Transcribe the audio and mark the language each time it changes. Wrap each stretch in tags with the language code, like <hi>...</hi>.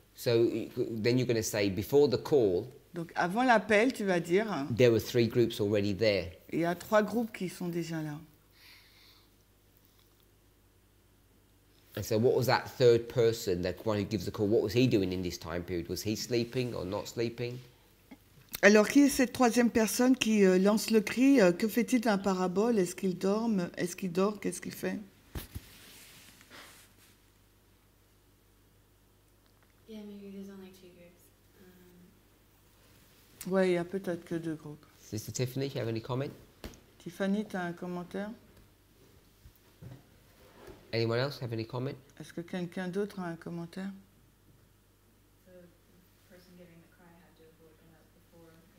<en>So then you're going to say before the call.</en> <fr>Donc avant l'appel, tu vas dire.</fr> <en>There were three groups already there.</en> <fr>Il y a trois groupes qui sont déjà là.</fr> <en>And so what was that third person, that one who gives the call, what was he doing in this time period? Was he sleeping or not sleeping?</en> <fr>Alors, qui est cette troisième personne qui lance le cri? Que fait-il dans la parabole? Est-ce qu'il dort? Est-ce qu'il dort? Qu'est-ce qu'il fait?</fr> <en>Yeah, maybe there's only two groups.</en> <fr>Ouais, il y a peut-être que deux groupes.</fr> <en>Sister Tiffany, you have any comment?</en> <fr>Tiffany, t'as un commentaire?</fr> <en>Anyone else have any comment?</en> <fr>Est-ce que quelqu'un d'autre a un commentaire?</fr> <en>The person giving the cry had to have woken up before.</en>